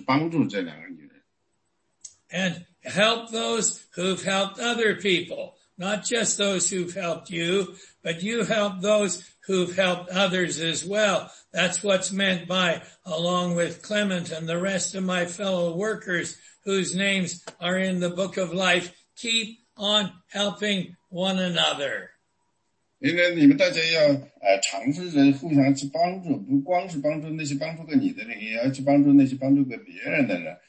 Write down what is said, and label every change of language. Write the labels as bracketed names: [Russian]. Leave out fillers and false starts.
[Chinese] 那当你们到我们再次的教堂相遇的时候，你们就发现我们一同做神的工更容易。所以现在呢，在这之前，我们大家还是要尝试着互相联系，然后一同帮助。在第三节里很有意思的一个词呢，就是帮助这两个女人。 [English] And help those who've helped other people, not just those who've helped you, but you help those who've helped others as well. That's what's meant by, along with Clement and the rest of my fellow workers whose names are in the book of life, keep on helping one another. [Chinese] 因为你们大家要尝试着互相去帮助，不光是帮助那些帮助过你的人，也要去帮助那些帮助过别人的人。